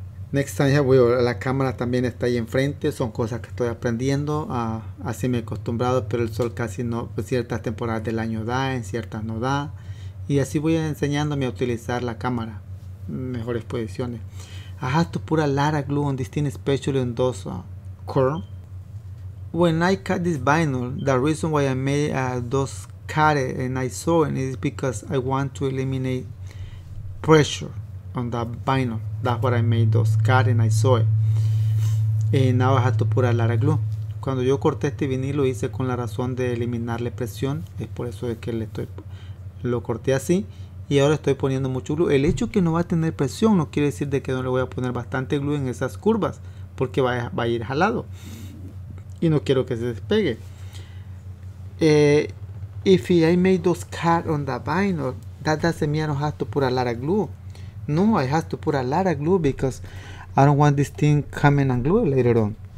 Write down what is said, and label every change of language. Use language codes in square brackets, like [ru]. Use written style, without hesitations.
[en] Next time, [es] ya voy, la cámara también está ahí enfrente. Son cosas que estoy aprendiendo. Así me he acostumbrado, pero el sol casi no, pues ciertas temporadas del año da, en ciertas no da. Y así voy enseñándome a utilizar la cámara. Mejores posiciones. [en] Ajá, tu pura Lara Glue on this thing, especially on those curl. When I cut this vinyl, the reason why I made those cut it and I saw it is because I want to eliminate pressure on the vinyl. That's what I made those cut and I saw it. And now I have to put a lot of glue. [es] Cuando yo corté este vinilo, lo hice con la razón de eliminarle presión. Es por eso es que lo corté así. Y ahora estoy poniendo mucho glue. El hecho que no va a tener presión no quiere decir de que no le voy a poner bastante glue en esas curvas, porque va a ir jalado. Y no quiero que se despegue. [en] If I made those cut on the vinyl, that doesn't mean I don't have to put a lot of glue. No, I have to put a lot of glue because I don't want this thing coming and glue later on.